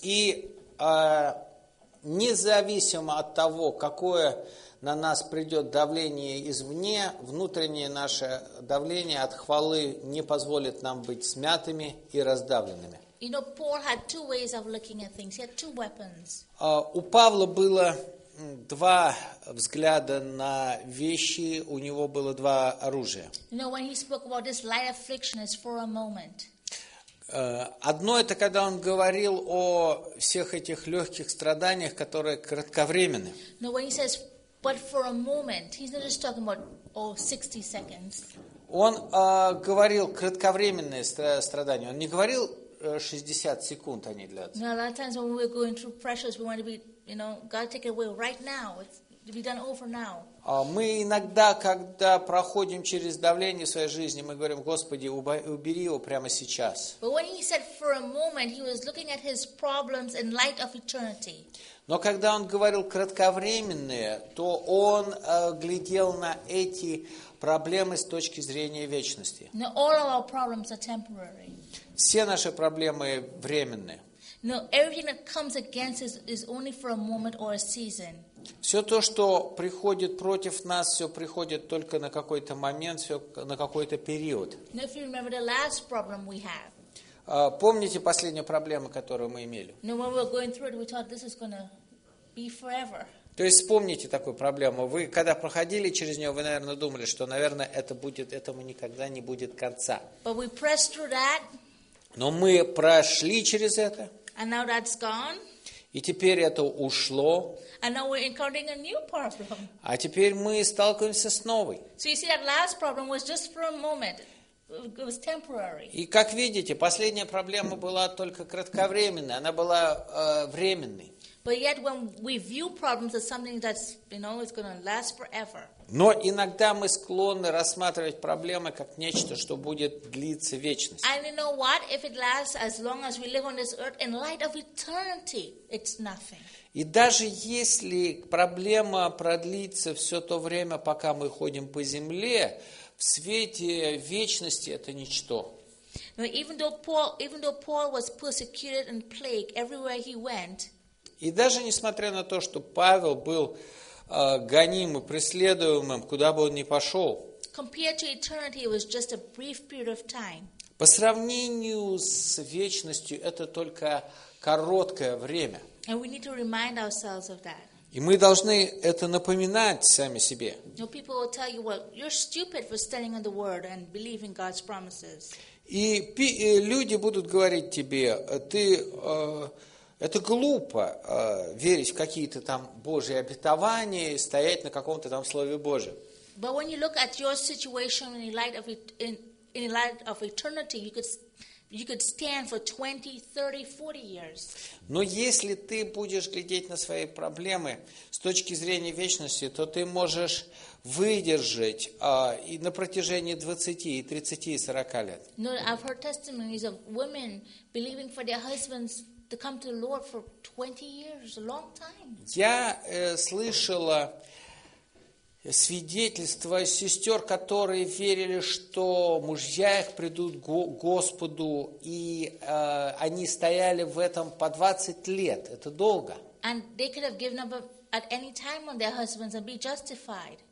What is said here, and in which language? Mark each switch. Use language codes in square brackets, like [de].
[ru] И независимо от того, какое на нас придет давление извне, внутреннее наше давление от хвалы не позволит нам быть смятыми и раздавленными. [en] You know, Paul had two ways of looking at things. He had two weapons. [ru] У Павла было два взгляда на вещи, у него было два оружия. [en] You know, when he spoke about this light affliction, it's for a moment. [ru] Одно это, когда он говорил о всех этих легких страданиях, которые кратковременны. [en] No, when he says, but for a moment, he's not just talking about, oh, 60 seconds. [ru] Он говорил кратковременные страдания, он не говорил 60 секунд они длятся. [en] No, a lot of times when we're going through pressures, we want to be, you know, God take it away right now. It's to be done over now. [ru] Мы иногда, когда проходим через давление в своей жизни, мы говорим, Господи, убери его прямо сейчас. [en] But when he said for a moment, he was looking at his problems in light of eternity. [ru] Но когда он говорил кратковременные, то он глядел на эти проблемы с точки зрения вечности. [en] No, all of our problems are temporary. [ru] Все наши проблемы временные. [en] No, everything that comes against us is only for a moment or a season. [ru] Все то, что приходит против нас, все приходит только на какой-то момент, все на какой-то период. [en] Now, if you remember the last problem we have. [ru] Помните последнюю проблему, которую мы имели? [en] No, when we were going through it, we thought this is going to be forever. [ru] То есть вспомните такую проблему. Вы, когда проходили через нее, вы, наверное, думали, что, наверное, это будет, этому никогда не будет конца. [en] But we pressed through that. [ru] Но мы прошли через это. [en] And now that's gone. [ru] И теперь это ушло. [en] And now we're encountering a new problem. [ru] А теперь мы сталкиваемся с новой. [en] So you see, that last problem was just for a moment. It was temporary. [ru] И как видите, последняя проблема была только кратковременной, она была временной. [en] But yet when we view problems as something that's, you know, it's going to last forever. [ru] Но иногда мы склонны рассматривать проблемы как нечто, что будет длиться вечность. [en] And you know what? If it lasts as long as we live on this earth, in light of eternity, it's nothing. [ru] И даже если проблема продлится все то время, пока мы ходим по земле, в свете вечности это ничто. [en] Now, even though Paul was persecuted and plagued everywhere he went, [ru] и даже несмотря на то, что Павел был гоним и преследуемым, куда бы он ни пошел, [en] compared to eternity, it was just a brief period of time. [ru] По сравнению с вечностью, это только короткое время. [en] And we need to remind ourselves of that. [ru] И мы должны это напоминать сами себе. [en] Now, people will tell you, well, you're stupid for standing on the word and believing God's promises. [ru] И люди будут говорить тебе, ты... Это глупо верить в какие-то там Божьи обетования и стоять на каком-то там Слове Божьем. [en] But when you look at your situation in light of eternity, you could stand for 20, 30, 40 years. [ru] Но если ты будешь глядеть на свои проблемы с точки зрения вечности, то ты можешь выдержать и на протяжении 20, и 30, и 40 лет. [en] No, I've heard testimonies of women believing for their husbands to come to the Lord for 20 years, a long time. [ru] Я слышала свидетельства сестер, которые верили, что мужья их придут к Господу, и они стояли в этом по 20 лет. Это долго. [en] And they could have given up at any time on their husbands and be justified.